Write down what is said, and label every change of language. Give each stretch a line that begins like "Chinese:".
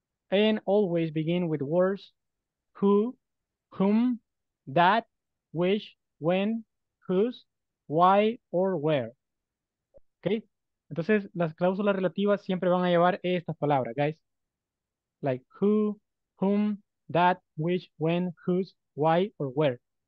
English: And always begin with words who, whom, that, which, when, whose, why, or where. Okay?
Spanish: Entonces, las cláusulas relativas siempre van a llevar estas palabras, guys.
English: Like who, whom, that, which, when, whose, why, or where.